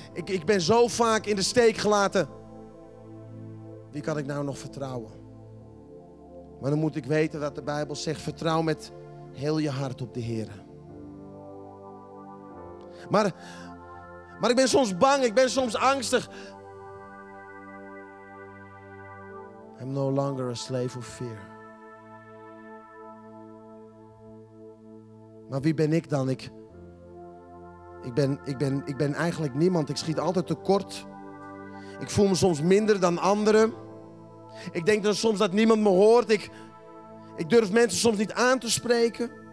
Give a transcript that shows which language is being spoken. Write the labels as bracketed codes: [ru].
[nl] Ik ben zo vaak in de steek gelaten. Wie kan ik nou nog vertrouwen? Maar dan moet ik weten dat de Bijbel zegt, vertrouw met heel je hart op de Heer. Maar ik ben soms bang, ik ben soms angstig. [en] I'm no longer a slave of fear. [nl] Maar wie ben ik dan? Ik ben eigenlijk niemand. Ik schiet altijd tekort. Ik voel me soms minder dan anderen. Ik denk dan soms dat niemand me hoort. Ik durf mensen soms niet aan te spreken.